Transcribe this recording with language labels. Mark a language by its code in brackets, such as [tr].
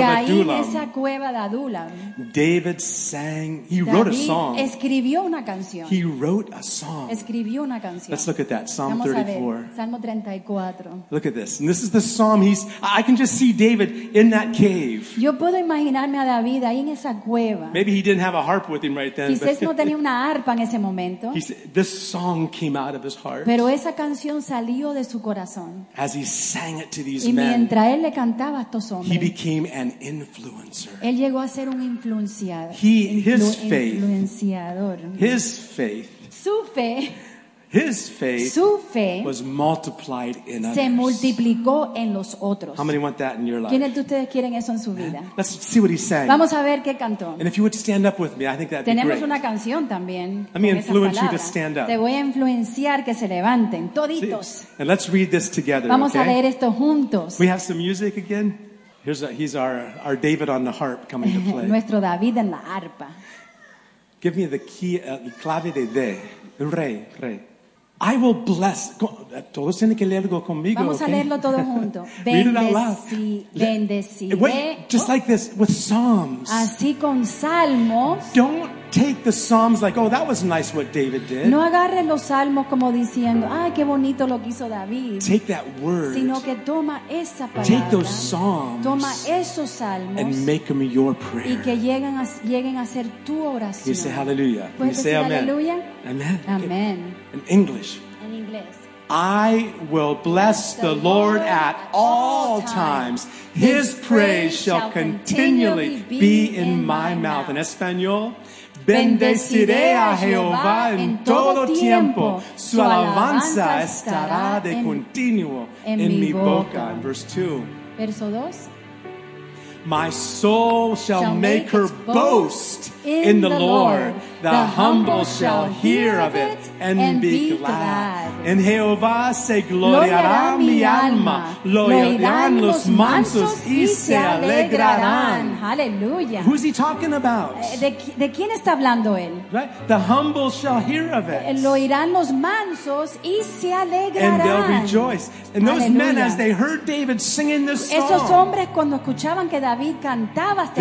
[en] of Adullam, [es] en esa cueva de Adullam, [en] David sang. He David wrote a song. [es] Escribió una canción. [en] He wrote a song. [es] Escribió una canción. [en] Let's look at that, Psalm [es] Vamos [en] 34. [es] A ver, Salmo 34. [en] Look at this. And this is the psalm. I can just see David in that cave. [es] Yo puedo imaginarme a David ahí en esa cueva. [en] Maybe he didn't have a harp with him right then. [es] Quizás no tenía una arpa en ese momento. [en] This song came out of his heart. [es] Pero esa canción salió de su corazón. [en] As he sang it to these [es] y mientras [en] men, [es] él le cantaba a estos hombres, [en] he became an influencer. [es] Él llegó a ser un influenciador. [en] His faith. His faith. [es] Su fe. [en] His faith. [es] Su fe. [en] Was multiplied in [es] se [en] others. [es] Se multiplicó en los otros. [en] How many want that in your life? [es] ¿Quiénes de ustedes quieren eso en su vida? [en] Let's see what he sang. [es] Vamos a ver qué cantó. [en] And if you would stand up with me, I think that'd [es] tenemos [en] be great. [es] Tenemos una canción también. [en] Let me influence you to stand up. [es] Te voy a influenciar que se levanten toditos. [en] See? And let's read this together. [es] Vamos [en] okay? [es] a leer esto juntos. [en] We have some music again. He's our David on the harp coming to play. [es] Nuestro David en la arpa. [en] Give me the key, [es] clave de rey, rey. [en] I will bless. [es] Todos tienen que leer algo conmigo. Vamos [en] okay? [es] a leerlo todo junto. Bendeciré. [en] Just like this with psalms. [es] Así con salmos. [en] Don't take the psalms like, oh, that was nice what David did. [es] No agarres los salmos como diciendo, ay, qué bonito lo que hizo David. [en] Take that word. [es] Sino que toma esa palabra. [en] Take those psalms. [es] Toma esos salmos. [en] And make them your prayer. [es] Y que lleguen a ser tu oración. [en] You say hallelujah. [es] Puedes [en] you say [es] decir, [en] amen. [es] Aleluya. [en] Amen. Amen. In English. In English. I will bless the Lord at all times. His praise shall continually be in my mouth. [es] In español, bendeciré a Jehová en todo tiempo. Su alabanza estará de continuo en mi boca. [en] In verse 2. [es] Verso 2. [en] My soul shall make her boast in the Lord. The humble shall hear of it and be glad. [es] En Jehová se gloriará mi alma. Lo oirán los mansos y se alegrarán. [en] Hallelujah. Who's he talking about? [es] ¿De quién está hablando él? [en] Right? The humble shall hear of it. [es] Lo oirán los mansos y se alegrarán. [en] And they'll rejoice. And those men, as they heard David singing this song, [es] esos hombres cuando escuchaban que David cantaba este